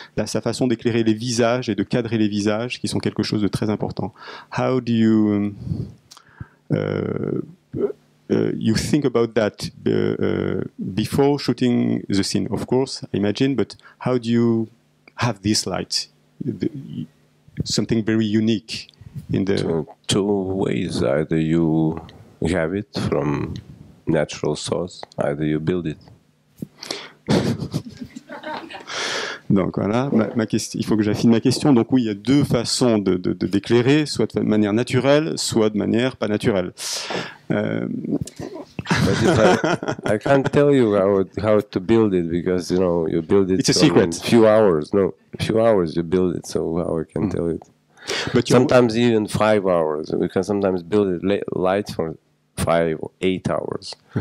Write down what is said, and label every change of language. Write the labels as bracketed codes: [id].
[fr] Là, sa façon d'éclairer les visages et de cadrer les visages, qui sont quelque chose de très important. [en] How do you you think about that before shooting the scene? Of course, I imagine, but how do you have this light, something very unique in the... Two ways. Either you have it from natural source, either you build it. [fr] Donc voilà, il faut que j'affine ma question. Donc oui, il y a deux façons de d'éclairer, soit de manière naturelle, soit de manière pas naturelle. [en] I can't tell you how to build it, because you know you build it. It's a secret. A few hours. You build it, so how I can tell it? But sometimes even 5 hours. We can sometimes build it light for 5 or 8 hours.